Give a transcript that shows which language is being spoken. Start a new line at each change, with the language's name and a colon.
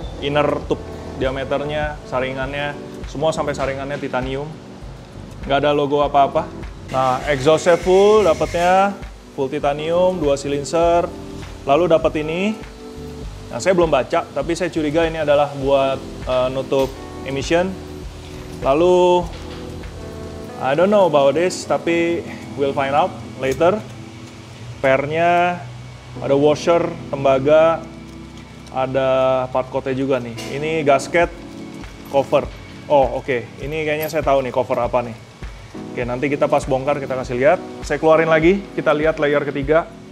Indonesian: Inner tube diameternya, saringannya. Semua sampai saringannya titanium. Nggak ada logo apa-apa. Nah, exhaustnya full, dapatnya full titanium, 2 silencer. Lalu dapat ini. Nah, saya belum baca, tapi saya curiga ini adalah buat nutup emission. Lalu,
English: I don't know about this,
Indonesian: tapi
English: we'll find out later.
Indonesian: Pair-nya, ada washer, tembaga, ada part coat-nya juga nih. Ini gasket, cover. Oh, oke. Okay. Ini kayaknya saya tahu nih cover apa nih. Oke, okay, nanti kita pas bongkar kita kasih lihat. Saya keluarin lagi, kita lihat layer ketiga.